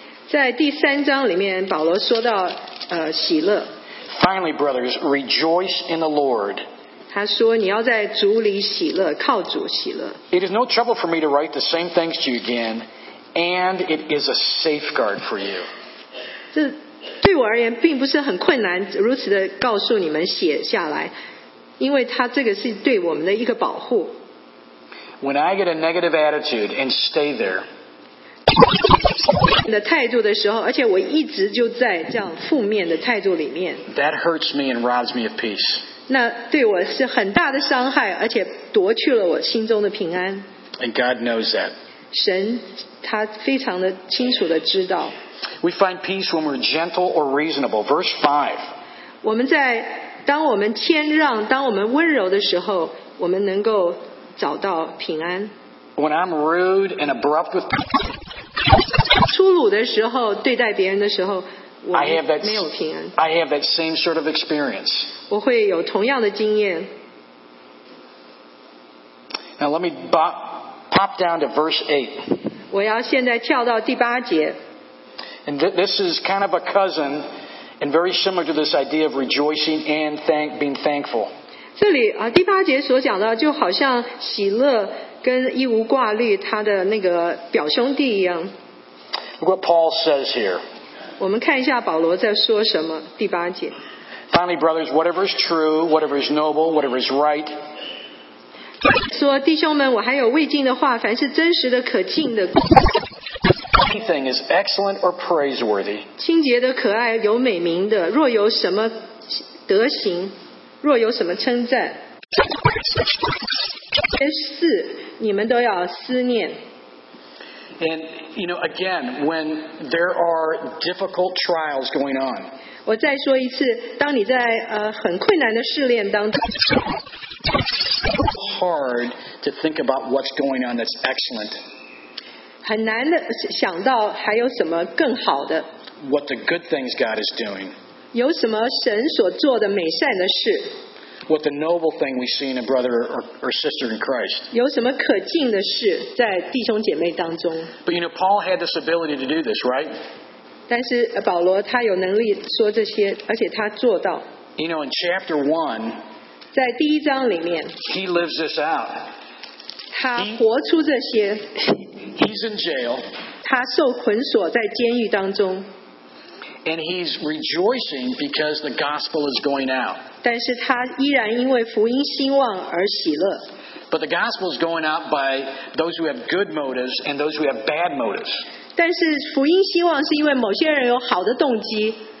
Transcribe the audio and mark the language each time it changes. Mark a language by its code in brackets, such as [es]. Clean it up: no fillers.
[zh] 在第三章里面，保罗说到喜乐。 [en] Finally, brothers, rejoice in the Lord. [zh] 他说你要在主里喜乐，靠主喜乐。 [en] It is no trouble for me to write the same things to you again, and it is a safeguard for you. [zh] 这对我而言并不是很困难，如此的告诉你们写下来，因为他这个是对我们的一个保护。 [en] When I get a negative attitude and stay there, [zh] 的态度的时候，而且我一直就在这样负面的态度里面。 [en] That hurts me and robs me of peace. [zh] 那对我是很大的伤害，而且夺去了我心中的平安。 [en] And God knows that. [zh] 神他非常的清楚的知道。 [en] We find peace when we're gentle or reasonable. Verse 5. [zh] 我们在当我们谦让，当我们温柔的时候，我们能够。找到平安。 [en] When I'm rude and abrupt with people, [zh] 粗鲁的时候对待别人的时候，我没有平安。 [en] I have that same sort of experience. [zh] 我会有同样的经验。 [en] Now let me pop down to verse 8. [zh] 我要现在跳到第八节。 [en] And this is kind of a cousin, and very similar to this idea of rejoicing and being thankful. [zh] 这里第八节所讲的就好像喜乐跟一无挂虑他的那个表兄弟一样。 [en] Look what Paul says here. [zh] 我们看一下保罗在说什么，第八节。 [en] Finally, brothers, whatever is true, whatever is noble, whatever is right. [zh] 说弟兄们，我还有未尽的话，凡是真实的、可敬的。 [en] Anything is excellent or praiseworthy. [zh] 清洁的、可爱、有美名的，若有什么德行。若有什么称赞，这些事你们都要思念。 [en] And you know, again, when there are difficult trials going on, [zh] 我再说一次，当你在很困难的试炼当中 [en] ，hard to think about what's going on that's excellent. [zh] 很难的想到还有什么更好的。 [en] What the good things God is doing? [zh] 有什么神所做的美善的事。 [en] What the noble thing we see in a brother or sister in Christ. [zh] 有什么可敬的事在弟兄姐妹当中。 [en] But you know, Paul had this ability to do this, right? [zh] 但是保罗他有能力说这些，而且他做到。 [en] You know, in chapter 1, [zh] 在第一章里面， [en] he lives this out. [zh] 他活出这些。 [en] He's in jail. [zh] 他受捆锁在监狱当中。 [en] And he's rejoicing because the gospel is going out. [zh] 但是他依然因为福音兴旺而喜乐。 [en] But the gospel is going out by those who have good motives and those who have bad motives. [zh] 但是福音兴旺是因为某些人有好的动机。